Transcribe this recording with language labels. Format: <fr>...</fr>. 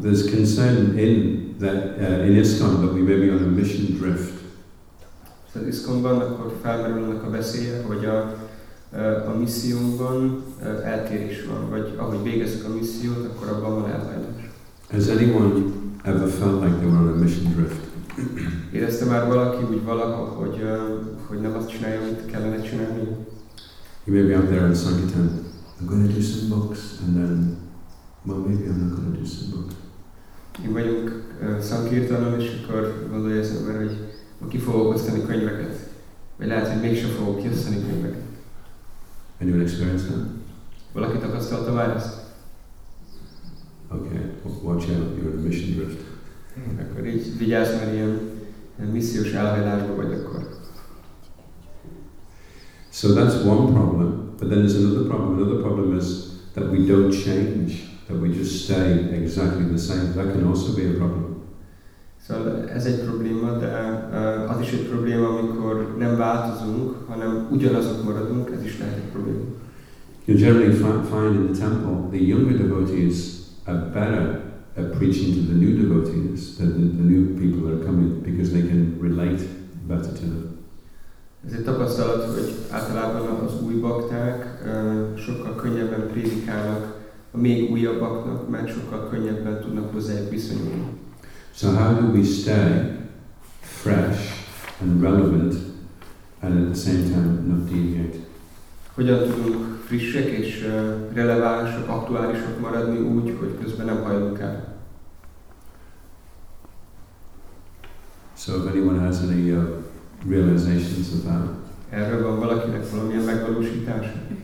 <en>There's concern in that in ISKCON that we may be on a mission drift.</en> <hu>So ISKCON-ban akkor felmerülnek a beszélyek, hogy a missziónkban eltérés van, vagy ahogy végezzük a missziót, akkor abban van elhajlás.</hu> <en>Has anyone ever felt like they were on a mission drift?</en> <hu>Érezte már valaki úgy valaha, hogy nem azt csinálja, amit kellene csinálni?</hu> <en>You may be out there in Sankitán. I'm going to do some books, and then, well, maybe I'm not going to do some books.</en> <hu>Én vagyok Sankirtanon, és akkor gondolja ezt ember, hogy ki fogok osztani könyveket. Vagy lehet, hogy mégsem fogok kiosztani könyveket.</hu> <en>Anyone experience that?</en> <hu>Valaki tapasztalta már ezt?</hu> <en>Okay, watch out, you're on a mission drift.</en> <hu>Akkor így vigyázz, mert ilyen missziós elhajlásban vagy akkor.</hu> <en>So that's one problem, but then there's another problem. Another problem is that we don't change, that we just stay exactly the same. That can also be a problem.</en> <hu>So ez egy probléma, de az is egy probléma, amikor nem változunk, hanem ugyanazok maradunk, ez is lehet egy probléma.</hu> <en>You generally find in the temple, the younger devotees are better at preaching to the new devotees, that the new people that are coming, because they can relate better to them.</en> <hu>Ez egy tapasztalat, hogy általában az új bakták sokkal könnyebben prédikálnak a még újabb baknak, mert sokkal könnyebben tudnak hozzájuk viszonyulni.</hu> <en>So how do we stay fresh and relevant and at the same time not deviate?</en> <hu>Hogyan tudunk frissek és relevánsok, aktuálisok maradni úgy, hogy közben nem hajlunk el?</hu> <en>So if anyone has any realizations of that?</en> <hu>Erről van valakinek valamilyen megvalósítása?</hu>